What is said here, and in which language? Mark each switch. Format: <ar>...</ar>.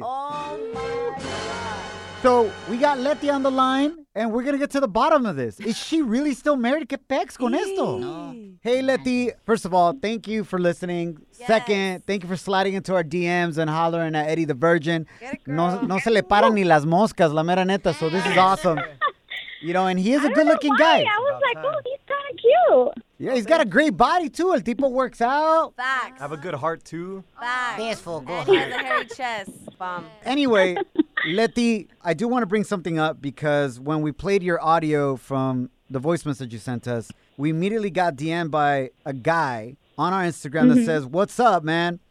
<en>Oh, my God. So we got Letty on the line, And we're going to get to the bottom of this. Is she really still married?</en> <es>¿Qué pex con esto?</es> <en>No. Hey, Leti, first of all, thank you for listening. Yes. Second, thank you for sliding into our DMs and hollering at Eddie the Virgin. Get it, girl.</en> <es>No se le paran ni las moscas, la mera neta.</es> <en>So this is awesome. You know, and he is a good-looking guy. I was like, he's kind of cute. Yeah, he's got a great body, too.</en> <es>El tipo</es> <en>works out. Facts. Have a good heart, too. Facts. Beautiful. Go ahead. And he has a hairy chest. Bomb. Anyway, Leti, I do want to bring something up because when we played your audio from the voice message you sent us, we immediately got DM'd by a guy on our Instagram that says, "What's up, man?</en>